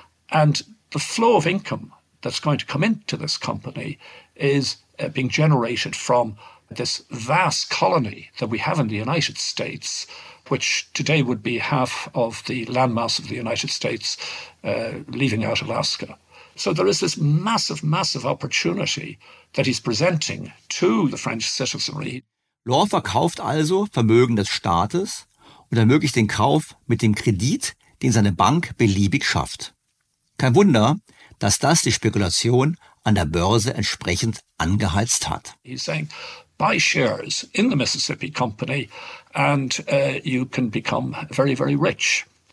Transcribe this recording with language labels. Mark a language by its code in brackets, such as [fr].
[en] And the flow of income that's going to come into this company is being generated from this vast colony that we have in the United States, which today would be half of the landmass of the United States, leaving out Alaska. So there is this massive, massive opportunity that he's presenting to the French citizenry. [de] Law verkauft also Vermögen des Staates und ermöglicht den Kauf mit dem Kredit, den seine Bank beliebig schafft. Kein Wunder, dass das die Spekulation an der Börse entsprechend angeheizt hat. [en] He's saying, buy shares in the Mississippi Company and you can become very, very rich.